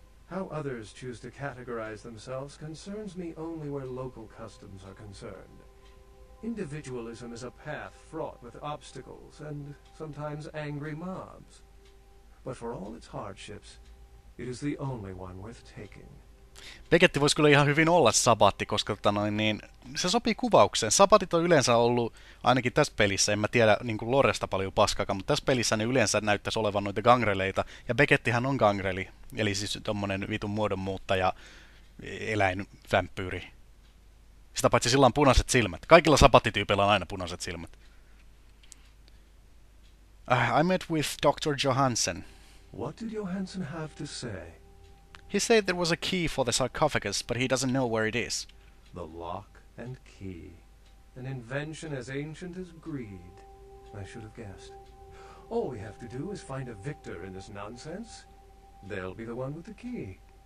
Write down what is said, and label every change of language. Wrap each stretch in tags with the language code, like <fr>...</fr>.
<en>How others choose to categorize themselves concerns me only where local customs are concerned. Individualism is a path fraught with obstacles and sometimes angry mobs. But for all its hardships, it is the only one worth taking.</en> <fi>Beketti voisi kyllä ihan hyvin olla sabatti, koska se sopii kuvaukseen. Sabatit on yleensä ollut, ainakin tässä pelissä, en mä tiedä niin kuin Loresta paljon paskakaan, mutta tässä pelissä ne yleensä näyttäisi olevan noita gangreleita. Ja Beckettihän on gangreli, eli siis tommonen vitun muodonmuuttaja, eläinvämpyyri. Sitä paitsi sillä on punaiset silmät. Kaikilla sabattityypeillä on aina punaiset silmät.</fi> <en>I met with Dr. Johansen. What did Johansson have to say? He said there was a key for the sarcophagus, but he doesn't know where it is. The lock and key. An invention as ancient as greed. I should have guessed. All we have to do is find a victor in this nonsense. They'll be the one with the key.</en>